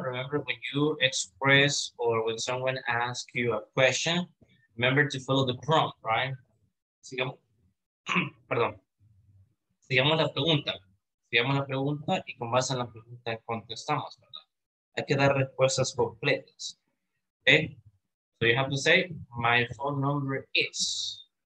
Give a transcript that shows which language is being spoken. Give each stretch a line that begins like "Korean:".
English: Remember, when you express or when someone asks you a question, remember to follow the prompt, right?
Spanish: Sigamos la pregunta y con base en la pregunta contestamos, ¿verdad? Hay que dar respuestas completas. Okay?
English: So you have to say, my phone number is.